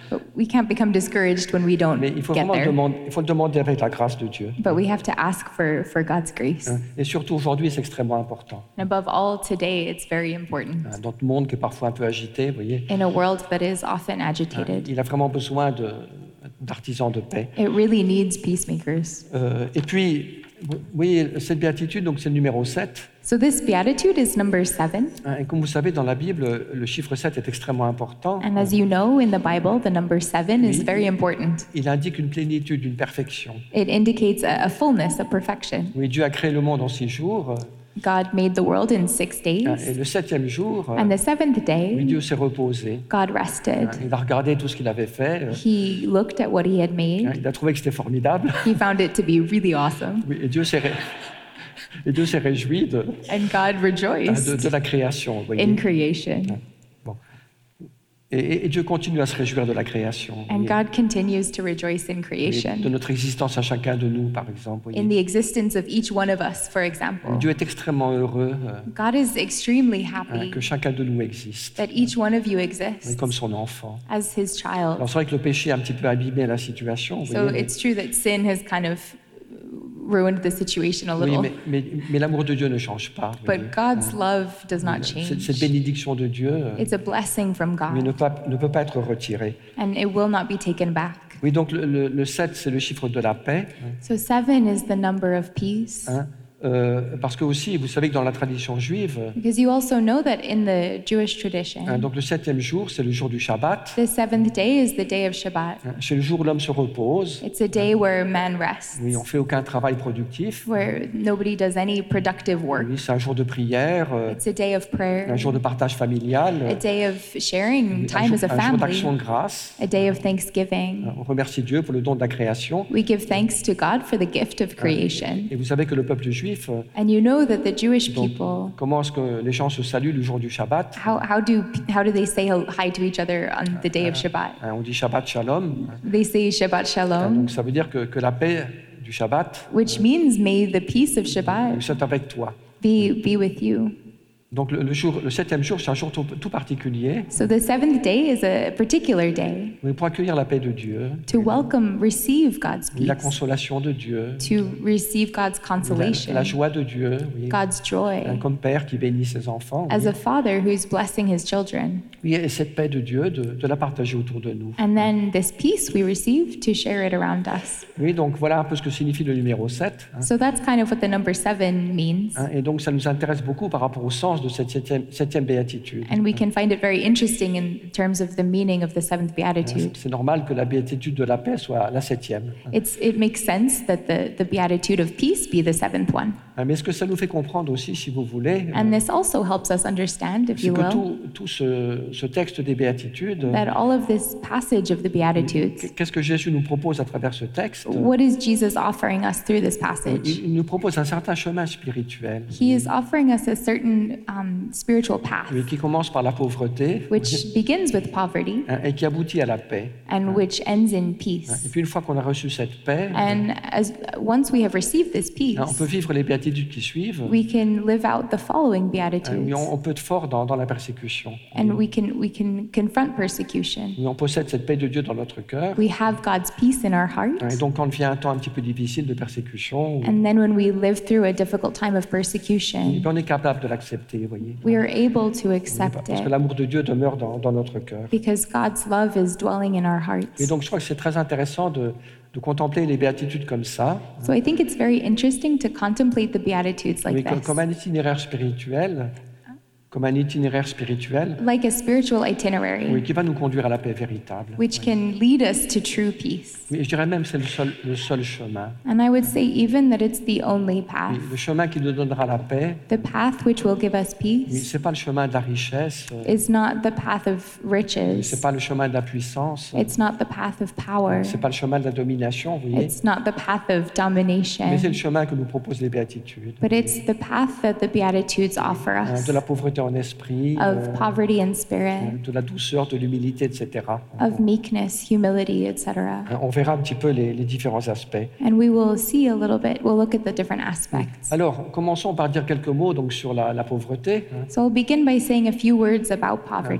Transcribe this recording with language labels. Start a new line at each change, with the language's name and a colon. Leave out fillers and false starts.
English: But we can't become discouraged when we don't get there.
French: Mais il faut vraiment demander avec la grâce de Dieu.
English: But we have to ask for God.
French: Et surtout aujourd'hui, c'est extrêmement important.
English: And above all, today, it's very important.
French: Dans le monde qui est parfois un peu agité, vous voyez.
English: In a world that is often agitated.
French: Il a vraiment besoin d'artisans de paix.
English: It really needs peacemakers.
French: Et puis, oui, cette béatitude, donc c'est le numéro 7.
English: So this beatitude is number 7.
French: Et comme vous savez, dans la Bible, le chiffre 7 est extrêmement important.
English: And as you know, in the Bible, the number 7 is very important.
French: Il indique une plénitude, une perfection.
English: It indicates a fullness, a perfection.
French: Oui, Dieu a créé le monde en 6 jours.
English: God made the world in 6 days.
French: Et le septième jour,
English: and the seventh day,
French: Dieu s'est reposé.
English: God rested.
French: Il a regardé tout ce qu'il avait fait.
English: He looked at what he had made.
French: Il a trouvé que c'était formidable.
English: He found it to be really awesome.
French: Oui, et Dieu s'est réjoui de la création. Vous voyez.
English: In creation.
French: Bon. Et Dieu continue à se réjouir de la création.
English: And God continues to rejoice in creation.
French: De notre existence à chacun de nous, par exemple.
English: In the existence of each one of us, for example.
French: Dieu est extrêmement heureux.
English: God is extremely happy.
French: Que chacun de nous existe.
English: That each one of you exists.
French: Comme son enfant.
English: As his child.
French: Alors c'est vrai que le péché a un petit peu abîmé la situation.
English: So it's true that sin has kind of ruined the situation a little.
French: Oui, mais l'amour de Dieu ne change pas.
English: But God's love does not change.
French: Cette bénédiction de Dieu.
English: It's a blessing from God.
French: Mais ne peut pas être retirée.
English: And it will not be taken back.
French: Oui, donc le 7, c'est le chiffre de la paix.
English: So 7 is the number of peace.
French: Parce que aussi, vous savez que dans la tradition juive,
English: because you also know that in the Jewish tradition,
French: donc le septième jour, c'est le jour du Shabbat.
English: The seventh day is the day of Shabbat.
French: C'est le jour où l'homme se repose.
English: It's a day where man rests.
French: Oui, on fait aucun travail productif.
English: Where nobody does any productive work.
French: Oui, c'est un jour de prière.
English: It's a day of prayer.
French: Un jour de partage familial.
English: A day of sharing time as a family.
French: Un jour d'action de grâce.
English: A day of thanksgiving.
French: On remercie Dieu pour le don de la création.
English: We give thanks to God for the gift of creation.
French: Et vous savez que le peuple juif.
English: And you know that the Jewish people.
French: Donc, comment est-ce que les gens se saluent le jour du Shabbat?
English: How do they say hi to each other on the day of Shabbat?
French: On dit Shabbat Shalom.
English: They say Shabbat Shalom.
French: Donc ça veut dire que la paix du Shabbat.
English: Which means may the peace of Shabbat.
French: Soit avec toi.
English: Be with you.
French: Donc le septième jour, c'est un jour tout particulier.
English: So the seventh day is a particular day.
French: Oui, pour accueillir la paix de Dieu.
English: To welcome, receive God's peace.
French: Oui, la consolation de Dieu.
English: To receive God's consolation.
French: La joie de Dieu. Oui.
English: God's joy.
French: Comme père qui bénit ses enfants.
English: As a father who's blessing his children.
French: Oui, et cette paix de Dieu, de la partager autour de nous.
English: And then this peace we receive to share it around us.
French: Oui, donc voilà un peu ce que signifie le numéro 7.
English: So that's kind of what the number 7 means.
French: Et donc ça nous intéresse beaucoup par rapport au sens de cette septième béatitude.
English: And we can find it very interesting in terms of the meaning of the seventh beatitude.
French: C'est normal que la béatitude de la paix soit la septième.
English: It makes sense that the beatitude of peace be the seventh one.
French: Mais est-ce que ça nous fait comprendre aussi, si vous voulez,
English: and this also helps us understand, if you will,
French: c'est que tout ce texte des béatitudes,
English: that all of this passage of the beatitudes,
French: qu'est-ce que Jésus nous propose à travers ce texte?
English: What is Jesus offering us through this passage?
French: Il nous propose un certain chemin spirituel.
English: He is offering us a certain spiritual path.
French: Oui, qui commence par la pauvreté,
English: which begins with poverty,
French: et qui aboutit à la paix,
English: and which ends in peace.
French: Et puis une fois qu'on a reçu cette paix,
English: and as once we have received this peace,
French: on peut vivre les béatitudes qui suivent.
English: We can live out the following beatitudes.
French: On peut être fort dans la persécution.
English: And we can confront persecution.
French: Oui, on possède cette paix de Dieu dans notre cœur.
English: We have God's peace in our hearts.
French: Et donc quand vient un temps un petit peu difficile de persécution,
English: and then when we live through a difficult time of persecution,
French: et on est capable de l'accepter.
English: We are able to accept it.
French: Parce que l'amour de Dieu demeure dans notre cœur.
English: Because God's love is dwelling in our hearts.
French: Et donc je crois que c'est très intéressant de contempler les béatitudes comme ça.
English: So I think it's very interesting to contemplate the beatitudes like this.
French: Comme un itinéraire spirituel. comme un itinéraire spirituel,
English: like a spiritual itinerary,
French: oui, qui va nous conduire à la paix véritable,
English: which
French: oui.
English: can lead us to true peace.
French: Oui, je dirais même c'est le seul chemin.
English: And I would say even that it's the only path.
French: Oui, le chemin qui nous donnera la paix.
English: The path which will give us peace.
French: Oui, c'est pas le chemin de la richesse.
English: Is not the path of riches.
French: Oui, c'est pas le chemin de la puissance.
English: It's not the path of power.
French: C'est pas le chemin de la domination, vous voyez.
English: It's not the path of domination.
French: Mais c'est le chemin que nous proposent les béatitudes.
English: But it's the path that the beatitudes offer us.
French: De la pauvreté en esprit,
English: of poverty in spirit,
French: de la douceur, de l'humilité, etc.
English: Of meekness, humility, etc.
French: On verra un petit peu les différents aspects.
English: And we will see a little bit, we'll look at the different aspects.
French: Alors, commençons par dire quelques mots donc, sur la pauvreté.
English: So I'll begin by saying a few words about poverty.